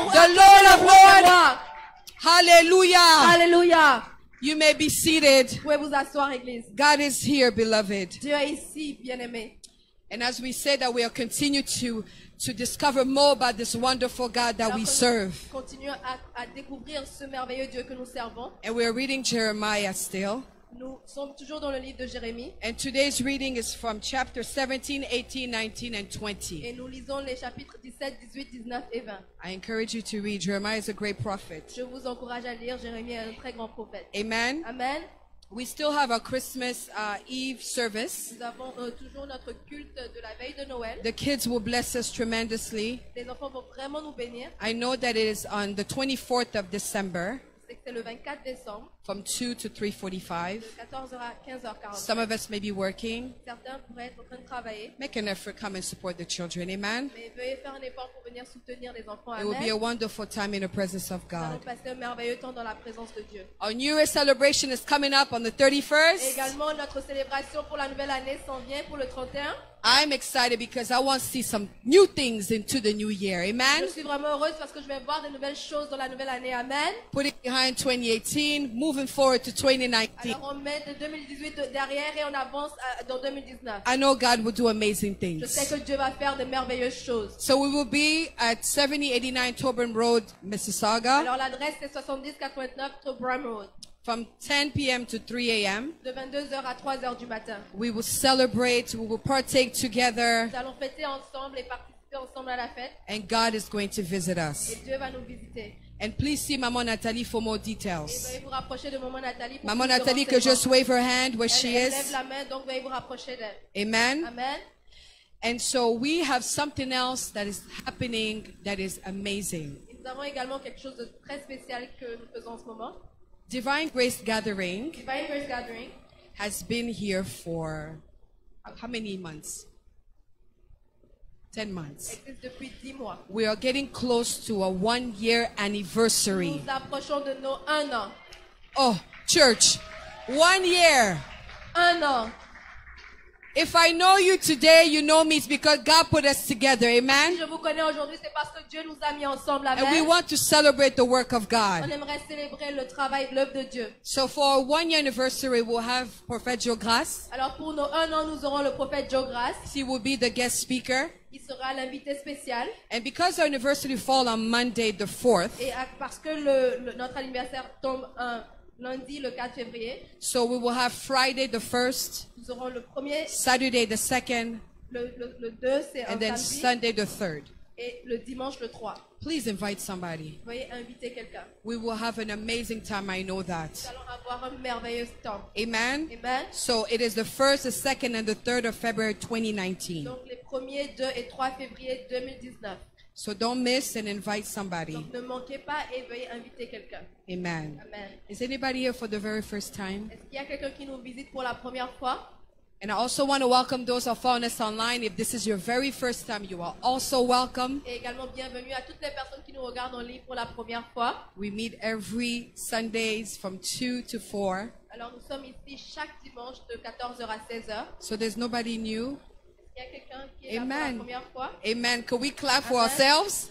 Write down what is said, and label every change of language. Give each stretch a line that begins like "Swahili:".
English: the Lord of Lords. Hallelujah. Hallelujah. You may be seated.
French: Vous pouvez vous asseoir, Église.
English: God is here, beloved.
French: Dieu est ici, bien-aimé.
English: And as we say that we are continue to discover more about this wonderful God that
French: Alors
English: we serve.
French: Continuons à découvrir ce merveilleux Dieu que nous servons.
English: And we are reading Jeremiah still.
French: Nous sommes toujours dans le livre de Jérémie.
English: And today's reading is from chapter 17, 18, 19, and 20.
French: Et nous lisons les chapitres 17, 18, 19 et 20.
English: I encourage you to read. Jeremiah is a great prophet.
French: Je vous encourage à lire. Jérémie est un très grand prophète. Amen. Amen.
English: We still have our Christmas Eve service.
French: Nous avons toujours notre culte de la veille de Noël.
English: The kids will bless us tremendously.
French: Les enfants vont vraiment nous bénir.
English: I know that it is on the 24th of December.
French: C'est le 24 décembre.
English: From 2 to 3:45.
French: De 14h à 15h45.
English: Some of us may be working.
French: Certains pourraient être en train de travailler.
English: Make an effort, come and support the children, amen.
French: Mais veuillez faire un effort pour venir soutenir les enfants.
English: It will be a wonderful time in the presence of God.
French: Ça va passer un merveilleux temps dans la présence de Dieu.
English: Our New Year celebration is coming up on the 31st.
French: Et également notre célébration pour la nouvelle année s'en vient pour le 31.
English: I'm excited because I want to see some new things into the new year. Amen.
French: Je suis vraiment heureuse parce que je vais voir de nouvelles choses dans la nouvelle année. Amen.
English: Put it behind 2018, moving forward to 2019.
French: Alors on met 2018 derrière et on avance dans 2019.
English: I know God will do amazing things.
French: Je sais que Dieu va faire de merveilleuses choses.
English: So we will be at 7089 Tobram Road, Mississauga.
French: Alors l'adresse est 7089 Tobram Road.
English: From 10 p.m. to 3 a.m.
French: De 22h à 3h du matin.
English: We will celebrate, we will partake together.
French: Nous allons fêter ensemble et participer ensemble à la fête.
English: And God is going to visit us.
French: Et Dieu va nous visiter.
English: And please see Maman Nathalie for more details.
French: Et veuillez vous rapprocher de Maman Nathalie pour
English: Maman Nathalie que just wave her hand where she
French: elle
English: is.
French: Elle lève la main, donc veuillez vous rapprocher d'elle. Amen. Amen.
English: And so we have something else that is happening that is amazing.
French: Et nous avons également quelque chose de très spécial que nous faisons en ce moment.
English: Divine Grace Gathering has been here for how many months? 10 months. We are getting close to a 1 year anniversary.
French: Nous approchons de nos un an.
English: Oh, church, 1 year.
French: Un an.
English: If I know you today, you know me. It's because God put us together. Amen.
French: Si je vous connais aujourd'hui, c'est parce que Dieu nous a mis ensemble. Amen.
English: And we want to celebrate the work of God.
French: On aimerait célébrer le travail, l'œuvre de Dieu.
English: So for our 1 year anniversary, we'll have Prophète Joe Grâce.
French: Alors pour nos 1 an, nous aurons le Prophète Joe Grâce.
English: He will be the guest speaker.
French: Il sera l'invité spécial.
English: And because our anniversary falls on Monday the 4th.
French: Et parce que notre anniversaire tombe un lundi le 4 février.
English: So we will have Friday the 1st.
French: Nous aurons le premier.
English: Saturday the 2nd.
French: Le 2 c'est
English: and
French: un
English: then
French: samedi.
English: Sunday the 3rd.
French: Et le dimanche le 3.
English: Please invite somebody.
French: Veuillez inviter quelqu'un.
English: We will have an amazing time, I know that.
French: Nous allons avoir un merveilleux temps. Amen. Amen.
English: So it is the 1st, the 2nd and the 3rd of February 2019.
French: Donc les premiers 2 et 3 février 2019.
English: So don't miss and invite somebody.
French: Donc ne manquez pas et veuillez inviter quelqu'un. Amen. Amen.
English: Is anybody here for the very first time?
French: Est-ce qu'il y a quelqu'un qui nous visite pour la première fois?
English: And I also want to welcome those who are following us online. If this is your very first time, you are also welcome.
French: Et également bienvenue à toutes les personnes qui nous regardent en ligne pour la première fois.
English: We meet every Sundays from 2 to 4.
French: Alors nous sommes ici chaque dimanche de 14h à 16h.
English: So there's nobody new.
French: Il y a quelqu'un qui est Amen. Là pour la première fois.
English: Amen. Can we clap Amen. For ourselves?